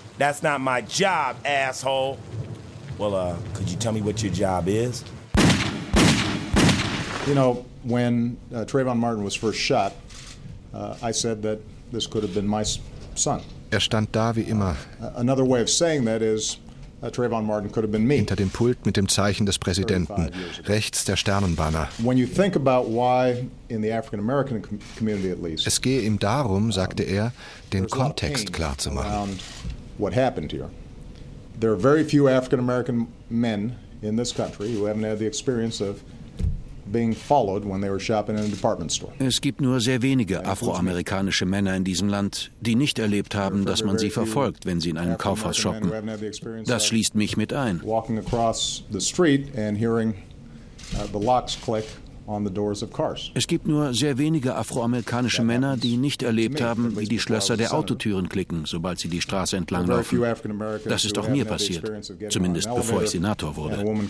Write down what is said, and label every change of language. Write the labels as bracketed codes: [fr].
[en] That's not my job, asshole. Well, could you tell me what your job is? You know, when Trayvon Martin was first shot, I said that this could have been my son. [de] Er stand da wie immer. [en] Another way of saying that is, Trayvon Martin could have been me. [de] Hinter dem Pult mit dem Zeichen des Präsidenten, rechts der Sternenbanner. [en] When you think about why, in the African-American community at least, [de] es gehe ihm darum, sagte er, den Kontext klar zu machen. [en] What happened here? There are very few African-American men in this country who haven't had the experience of being followed when they were shopping in a department store. [de] Es gibt nur sehr wenige afroamerikanische Männer in diesem Land, die nicht erlebt haben, dass man sie verfolgt, wenn sie in einem Kaufhaus shoppen. Das schließt mich mit ein. [en] Walking across the street and hearing the locks click on the doors of cars. [de] Es gibt nur sehr wenige afroamerikanische Männer, die nicht erlebt haben, wie die Schlösser der Autotüren klicken, sobald sie die Straße entlang laufen. Das ist auch mir passiert, zumindest bevor ich Senator wurde.